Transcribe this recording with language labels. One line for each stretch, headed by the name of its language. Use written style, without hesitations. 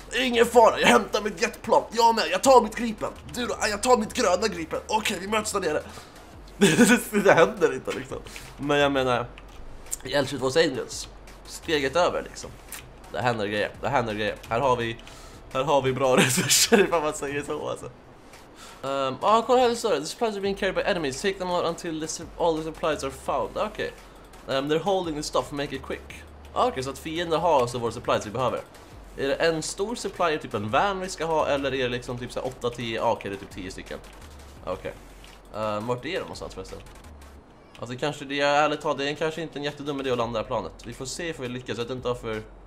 Swedish: Ingen fara, jag hämtar mitt jetplan. Jag med, jag tar mitt gripen. Du då, jag tar mitt gröna gripen. Okej, vi möts där nere. Det händer inte liksom. Men jag menar, hjälpsut vår Angels. Steget över liksom. Det händer grejer, det händer grejer. Här har vi bra resurser ifall man säger så alltså. Kolla här, det står det.
English: The supplies are being carried by enemies. Take them out until all the supplies are found. Okej. They're holding the stuff, make it quick.
Swedish: Okej, så att fienden har alltså våra supplies vi behöver. Är det en stor supply, typ en van vi ska ha, eller är det liksom typ 8-10, okej, det är typ 10 stycken. Okej. Vart är de någonstans förresten? Alltså kanske, det är ärligt talat, det är kanske inte en jättedum idé att landa här planet. Vi får se om vi lyckas, jag vet inte varför...